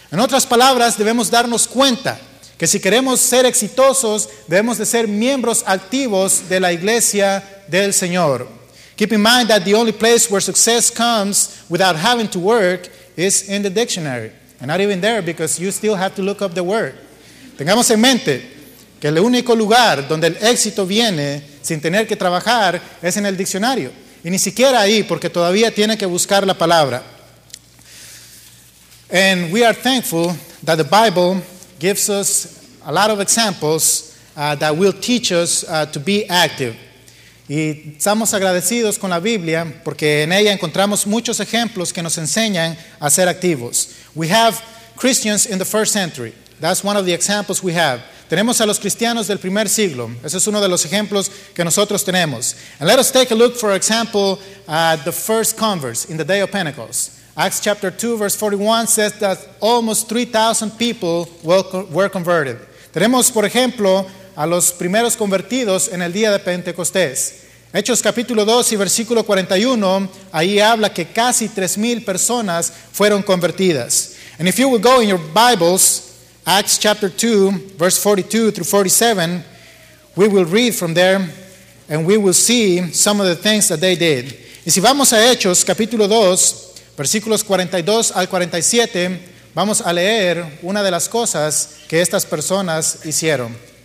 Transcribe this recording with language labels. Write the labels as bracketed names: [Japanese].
[Spanish] En otras palabras, debemos darnos cuenta que si queremos ser exitosos, debemos de ser miembros activos de la iglesia del Señor. [English] Keep in mind that the only place where success comes without having to work is in the dictionary, and not even there, because you still have to look up the word. [Spanish] Tengamos en mente que el único lugar donde el éxito viene sin tener que trabajar es en el diccionario, y ni siquiera ahí, porque todavía tiene que buscar la palabra. [English] And we are thankful that the Bible gives us a lot of examples that will teach us to be active. [Spanish] Y estamos agradecidos con la Biblia porque en ella encontramos muchos ejemplos que nos enseñan a ser activos. [English] We have Christians in the first century. That's one of the examples we have. [Spanish] Tenemos a los cristianos del primer siglo. Ese es uno de los ejemplos que nosotros tenemos. [English] And let us take a look, for example, at the first converts in the day of Pentecost. Acts chapter 2, verse 41 says that almost 3,000 people were converted. [Spanish] Tenemos, por ejemplo, a los primeros convertidos en el día de Pentecostés. Hechos capítulo 2 y versículo 41, ahí habla que casi 3,000 personas fueron convertidas. [English] And if you will go in your Bibles, Acts chapter 2, verse 42 through 47, we will read from there and we will see some of the things that they did. [Spanish] Y si vamos a Hechos capítulo 2, versículos 42 al 47, vamos a leer una de las cosas que estas personas hicieron.